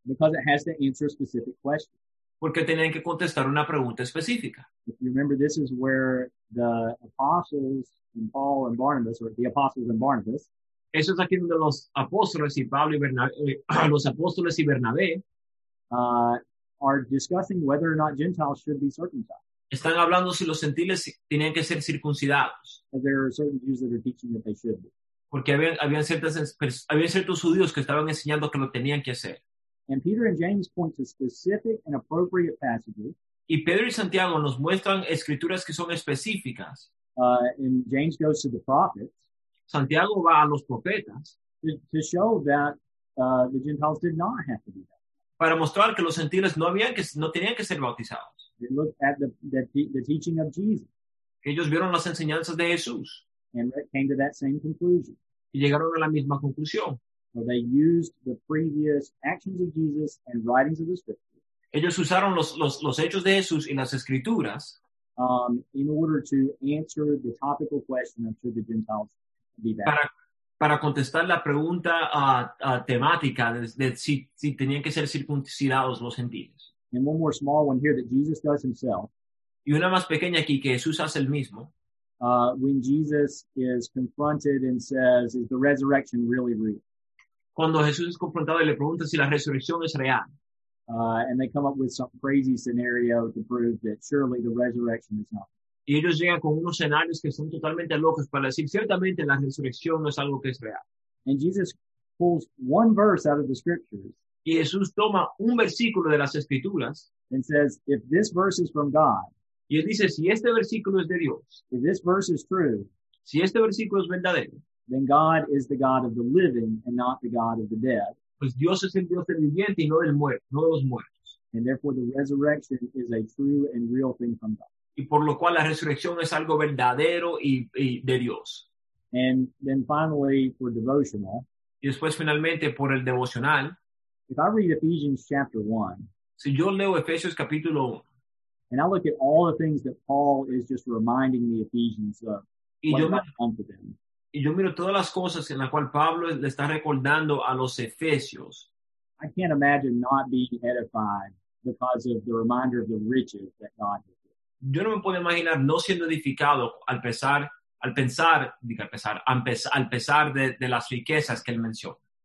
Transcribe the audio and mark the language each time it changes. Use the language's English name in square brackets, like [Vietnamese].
[English] Because it has to answer a specific question. [Spanish] Porque tenían que contestar una pregunta específica. [English] If you remember, this is where the apostles and Paul and Barnabas, or the apostles and Barnabas, [Spanish] eso es aquí donde los apóstoles y Pablo y Bernabé, los apóstoles y Bernabé, [English] are discussing whether or not Gentiles should be circumcised. [Spanish] Están hablando si los gentiles tenían que ser circuncidados. [English] There are certain Jews that are teaching that they should be. [Spanish] Porque habían ciertos judíos que estaban enseñando que lo tenían que hacer. [English] And Peter and James point to specific and appropriate passages. [Spanish] Y Pedro y Santiago nos muestran escrituras que son específicas. [English] And James goes to the prophets. [Spanish] Santiago va a los profetas [English] to show that the Gentiles did not have to be baptized. [Spanish] Para mostrar que los gentiles no tenían que ser bautizados. [English] They looked at the teaching of Jesus. [Spanish] Ellos vieron las enseñanzas de Jesús. [English] And they came to that same conclusion. [Spanish] Y llegaron a la misma conclusión. [English] So they used the previous actions of Jesus and writings of the scriptures. [Spanish] Ellos usaron los hechos de Jesús y las escrituras [English] in order to answer the topical question of should the Gentiles be baptized. [Spanish] Para contestar la pregunta temática de si tenían que ser circuncidados los gentiles. [English] And one more small one here that Jesus does himself. [Spanish] Y una más pequeña aquí que Jesús hace el mismo. [English] When Jesus is confronted and says, is the resurrection really real? [Spanish] Cuando Jesús es confrontado y le pregunta si la resurrección es real. [English] And they come up with some crazy scenario to prove that surely the resurrection is not. [Spanish] Y ellos llegan con unos escenarios que son totalmente locos para decir ciertamente la resurrección no es algo que es real. [English] And Jesus pulls one verse out of the scriptures. [Spanish] Y Jesús toma un versículo de las escrituras. [English] And says, if this verse is from God. [Spanish] Y él dice, si este versículo es de Dios. [English] If this verse is true. [Spanish] Si este versículo es verdadero. [English] Then God is the God of the living and not the God of the dead. [Spanish] Pues Dios es el Dios del viviente y no del muerto, no de los muertos. [English] And therefore the resurrection is a true and real thing from God. [Spanish] Y por lo cual la resurrección es algo verdadero y de Dios. [English] And then finally for devotional. [Spanish] Y después finalmente por el devocional. [English] If I read Ephesians chapter 1. [Spanish] Si yo leo Efesios capítulo 1. [English] And I look at all the things that Paul is just reminding the Ephesians of. [Spanish] Y yo miro todas las cosas en las cuales Pablo le está recordando a los Efesios. [English] I can't imagine not being edified because of the reminder of the riches that God has. [Spanish] Yo no me puedo imaginar no siendo edificado al pesar de las riquezas que él menciona.